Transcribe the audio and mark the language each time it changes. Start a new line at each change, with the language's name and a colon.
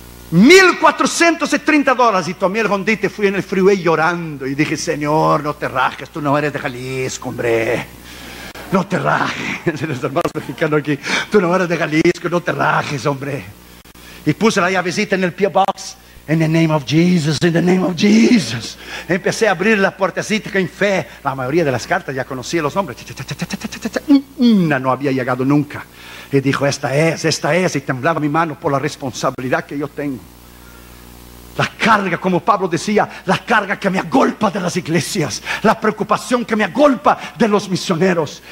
Spanish: $1,430, y tomé el Hondita y fui en el freeway llorando y dije: Señor, no te rajes, tú no eres de Jalisco, hombre. No te rajes, los hermanos mexicanos aquí. Tú no eres de Jalisco, no te rajes, hombre. Y puse la llavecita en el P.O. Box.
English: In the name of Jesus, in the name of Jesus.
Spanish: Empecé a abrir la puertecita en fe. La mayoría de las cartas ya conocía los nombres. Una no había llegado nunca. Y dijo: esta es, esta es. Y temblaba mi mano por la responsabilidad que yo tengo. La carga, como Pablo decía, la carga que me agolpa de las iglesias, la preocupación que me agolpa de los misioneros.